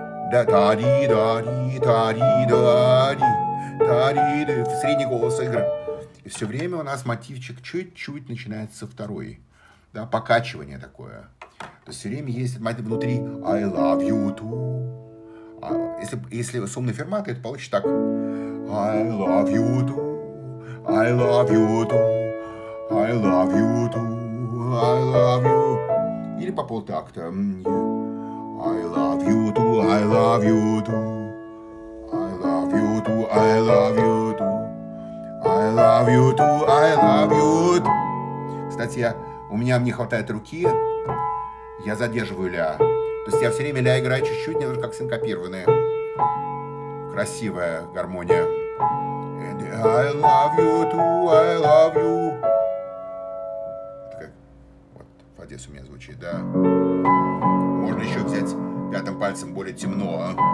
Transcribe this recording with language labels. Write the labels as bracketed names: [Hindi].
[Russian] Да, та-ди-да-ди, та-ди-да-ди, та-ди-да, в средний голос игра. И все время у нас мотивчик чуть-чуть начинается со второй. Да, покачивание такое. То есть все время есть мотив внутри. [English] I love you too. [Russian] А если с умной ферматой, то получится так. [English] I love you too, I love you too, I love you too, I love you. [Russian] Или по полтакта. [English] I love you too, I love you too. I love you too, I love you too. I love you too, I love you too. [Russian] Кстати, у меня не хватает руки. Я задерживаю ля. То есть я все время ля играю чуть-чуть, немножко как синкопированные. Красивая гармония. [English] And I love you too, I love you. [Russian] Такая, вот в Одессе у меня звучит, да. Можно еще взять пятым пальцем более темно.